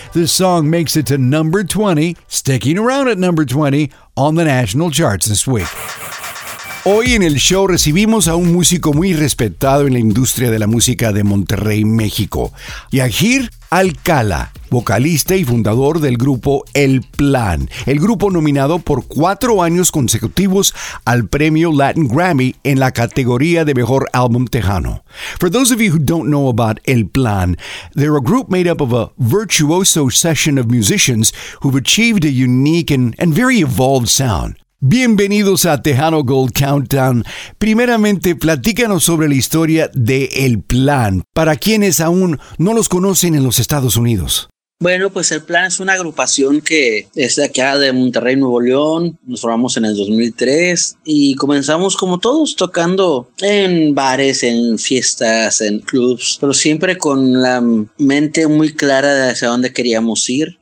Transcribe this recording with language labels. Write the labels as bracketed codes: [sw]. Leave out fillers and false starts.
[en] This song makes it to number 20, sticking around at number 20 on the national charts this week. [es] Hoy en el show recibimos a un músico muy respetado en la industria de la música de Monterrey, México, Yahir Alcala, vocalista y fundador del grupo El Plan, el grupo nominado por 4 años consecutivos al premio Latin Grammy en la categoría de Mejor Álbum Tejano. [en] For those of you who don't know about El Plan, they're a group made up of a virtuoso session of musicians who've achieved a unique and very evolved sound. [es] Bienvenidos a Tejano Gold Countdown. Primeramente, platícanos sobre la historia de El Plan, para quienes aún no los conocen en los Estados Unidos. Bueno, pues El Plan es una agrupación que es de acá de Monterrey, Nuevo León. Nos formamos en el 2003 y comenzamos como todos tocando en bares, en fiestas, en clubs, pero siempre con la mente muy clara de hacia dónde queríamos ir.